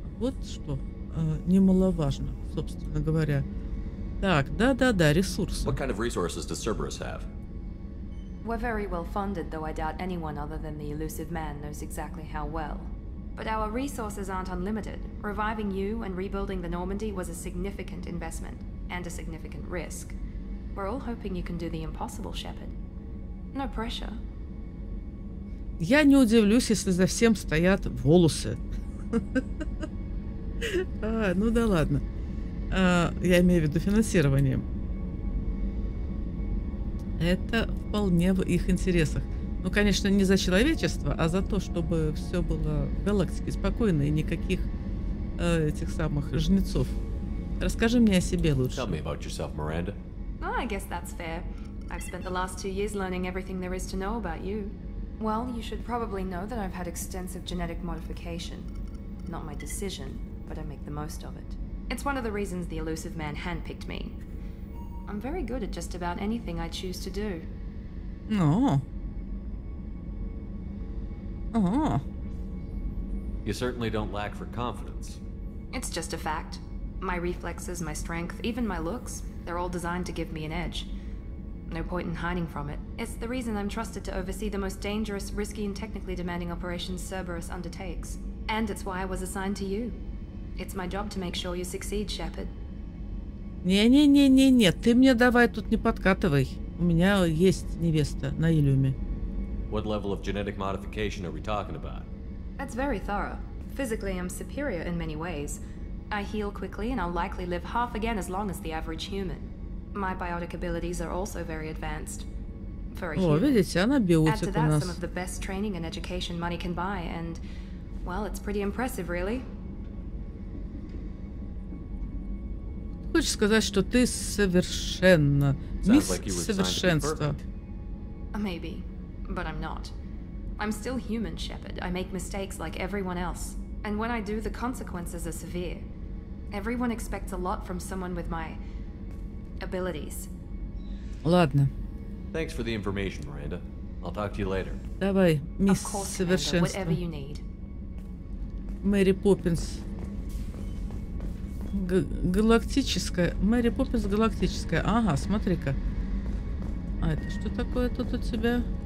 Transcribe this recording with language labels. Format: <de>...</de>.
<ru>Вот что немаловажно, собственно говоря. Так, да-да-да, ресурсы.</ru> <en>What kind of resources does Cerberus have? We're very well funded, though I doubt anyone other than the elusive man knows exactly how well. But our resources aren't unlimited. Reviving you and rebuilding the Normandy was a significant investment and a significant risk. We're all hoping you can do the impossible, Shepard. No pressure.</en> <ru>Я не удивлюсь, если за всем стоят волосы. А, ну да ладно. А, я имею в виду финансирование. Это вполне в их интересах. Ну, конечно, не за человечество, а за то, чтобы все было в галактике спокойно и никаких этих самых жнецов. Расскажи мне о себе лучше.</ru> <en>Tell me about yourself, Miranda. Well, I guess that's fair. I've spent the last 2 years learning everything there is to know about you. Well, you should probably know that I've had extensive genetic modification. Not my decision, but I make the most of it. It's one of the reasons the elusive man handpicked me. I'm very good at just about anything I choose to do. No. You certainly don't lack for confidence. It's just a fact. My reflexes, my strength, even my looks, they're all designed to give me an edge. No point in hiding from it. It's the reason I'm trusted to oversee the most dangerous, risky, and technically demanding operations Cerberus undertakes. And it's why I was assigned to you. It's my job to make sure you succeed, Shepard.</en> <ru>Не-не-не-не-не, ты мне давай тут не подкатывай. У меня есть невеста на Илюме.</ru> <en>What level of genetic modification are we talking about? That's very thorough. Physically, I'm superior in many ways. I heal quickly and I'll likely live half again as long as the average human. My biotic abilities are also very advanced. For a human.</en> <ru>О, видите, она биотик у нас.</ru> <en>Add to that some of the best training and education money can buy, and well, it's pretty impressive, really.</en> <ru>Хочешь сказать, что ты совершенна? Мисс совершенство.</ru> <en>Maybe, but I'm not. I'm still human, Shepard. I make mistakes like everyone else. And when I do, the consequences are severe. Everyone expects a lot from someone with my abilities.</en> <ru>Ладно.</ru> <en>Thanks for the information, Miranda. I'll talk to you later.</en> <ru>Давай, мисс совершенство.</ru> <en>Whatever you need.</en> <ru>Мэри Поппинс. Галактическая. Мэри Поппинс галактическая. Ага, смотри-ка. А это что такое тут у тебя?</ru>